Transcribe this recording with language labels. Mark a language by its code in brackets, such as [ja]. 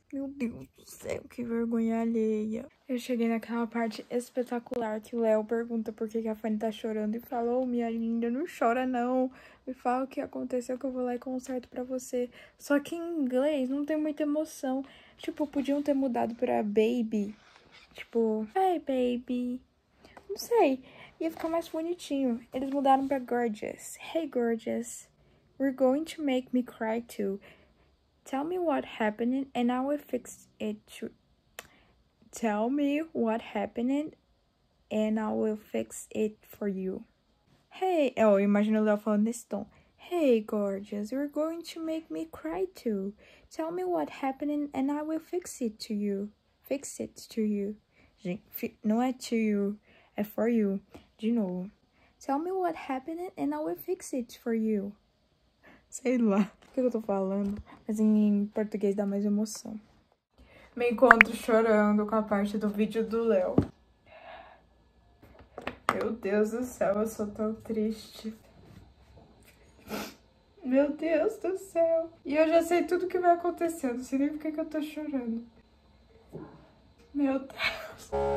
[pt] Meu Deus do céu, que vergonha alheia. Eu cheguei naquela parte espetacular que o Léo pergunta por que a Fanny tá chorando e fala: ô, minha linda, não chora não. Me fala o que aconteceu que eu vou lá e conserto pra você. Só que em inglês não tem muita emoção. Tipo, podiam ter mudado pra baby. Tipo, [en] hey baby. [pt] Não sei. Ia ficar mais bonitinho. Eles mudaram pra gorgeous. [en] Hey gorgeous. We're going to make me cry too. Tell me what happened and I will fix it too. Tell me what happened and I will fix it for you. [pt] Hey, oh, imagina o Léo falando nesse tom. [en] Hey, gorgeous, you're going to make me cry too. Tell me what happened and I will fix it to you. Fix it to you. [pt] Não é [en] to you, é for you. [pt] De novo. [en] Tell me what happened and I will fix it for you. [pt] Sei lá o que eu tô falando, mas em português dá mais emoção. Me encontro chorando com a parte do vídeo do Léo. Meu Deus do céu, eu sou tão triste. Meu Deus do céu. E eu já sei tudo o que vai acontecer, não sei nem por que eu tô chorando. Meu Deus.